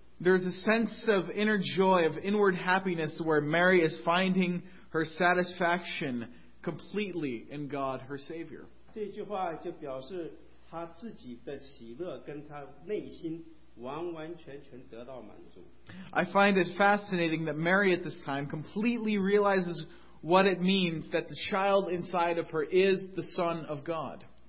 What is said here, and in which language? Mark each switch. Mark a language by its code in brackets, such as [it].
[en] There's a sense of inner joy, of inward happiness where Mary is finding her satisfaction completely in God her Savior. [zh] 这句话就表示 她自己的喜乐跟她内心完完全全得到满足。 [en] I find it fascinating that Mary at this time completely realizes what it means that the child inside of her is the Son of God.